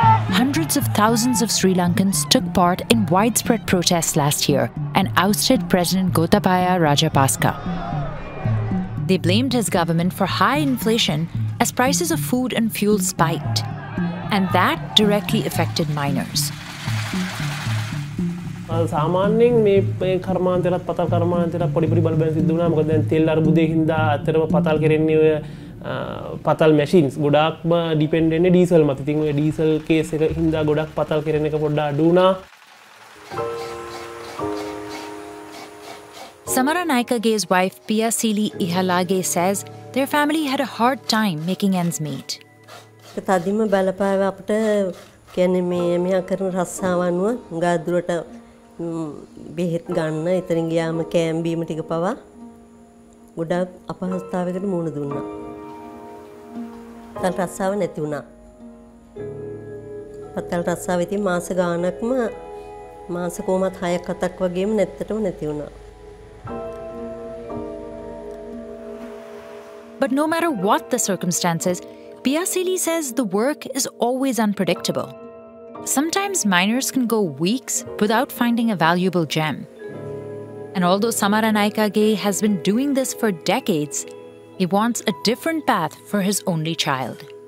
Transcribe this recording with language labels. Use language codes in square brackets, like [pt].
[en] Hundreds of thousands of Sri Lankans took part in widespread protests last year and ousted President Gotabaya Rajapaksa. They blamed his government for high inflation as prices of food and fuel spiked. And that directly affected miners. [si] සාමාන්‍යයෙන් මේ කර්මාන්තයලත් පතල් කර්මාන්තයලත් පොඩි පොඩි බලපෑම් සිද්ධ වුණා මොකද දැන් තෙල් අර්බුදයේ හින්දා ඇත්තටම පතල් කරන්නේ ඔය පතල් මැෂින්ස් ගොඩාක්ම ඩිපෙන්ඩ් වෙන්නේ ඩීසල් මත. ඉතින් ඔය ඩීසල් කේස් එක හින්දා ගොඩක් පතල් කරන එක පොඩ්ඩක් අඩු වුණා. [en] Samara Naikage's wife Pia Sili Ihalage says their family had a hard time making ends meet. [si] තදින්ම බලපෑව අපිට කියන්නේ මේ මෙහා කරන රස්සාව අනුව ගාදුරට බෙහෙත් ගන්න එතන ගියාම කෑම් බීම ටික පවා ගොඩක් අපහසුතාවයකට මුහුණ දුන්නා. පතල් රස්සාව නැති වුණා. පතල් රස්සාව ඉතින් මාස ගානක්ම මාස කොමත් 6ක් 7ක් වගේම නැත්තටම නැති වුණා. [en] But no matter what the circumstances, Pia Sili says the work is always unpredictable. Sometimes miners can go weeks without finding a valuable gem. And although Samara Naikage has been doing this for decades, he wants a different path for his only child.